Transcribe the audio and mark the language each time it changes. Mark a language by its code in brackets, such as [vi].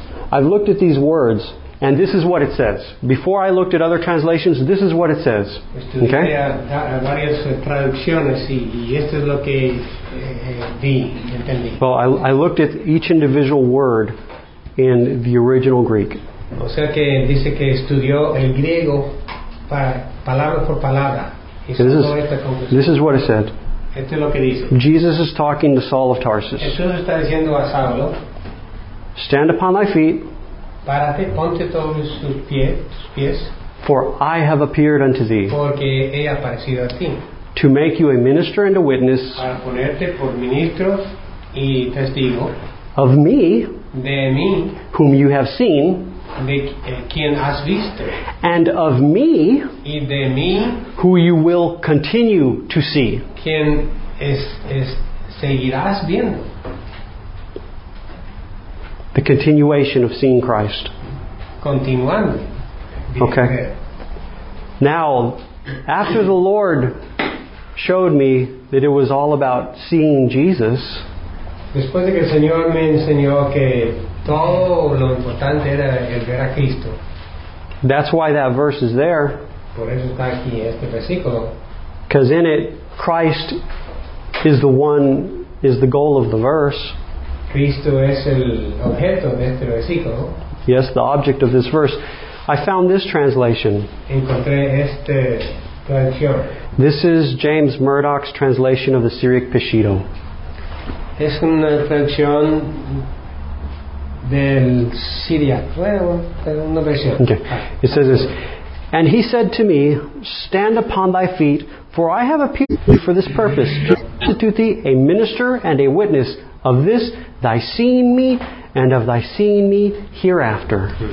[en] I've looked at these words. And this is what it says. Before I looked at other translations, this is what it says. Okay? [es] Varias traducciones y esto es lo que vi, entendí. [en] Well, I looked at each individual word in the original Greek. [es] O sea que dice que estudió el griego palabra por palabra. [en] This is what it said. [es] Esto es lo que dice. [en] Jesus is talking to Saul of Tarsus. [es] Jesús está diciendo a Saulo, [en] stand upon thy feet. [es] Párate, ponte todos tus pies. [en] For I have appeared unto thee. [es] Porque he aparecido a ti. [en] To make you a minister and a witness. [es] Para ponerte por ministro y testigo. [en] Of me. [es] De mí. [en] Whom you have seen. [es] De quien has visto. [en] And of me. [es] Y de mí. [en] Who you will continue to see. [es] Quien es seguirás viendo. [en] The continuation of seeing Christ. [es] Continuando. [en] Okay. Now, after the Lord showed me that it was all about seeing Jesus. [es] Después de que el Señor me enseñó que todo lo importante era el ver a Cristo. [en] That's why that verse is there. [es] Por eso está aquí este versículo. [en] Because in it, Christ is the goal of the verse. [es] Cristo es el objeto de este versículo. [en] Yes, the object of this verse. I found this translation. [es] Encontré esta traducción. [en] This is James Murdoch's translation of the Syriac Peshitta. [es] Es una traducción del Syriac. Una versión. [en] Okay. It says this. And he said to me, stand upon thy feet, for I have appeared for this purpose, to constitute thee a minister and a witness of this thy seeing me, and of thy seeing me hereafter.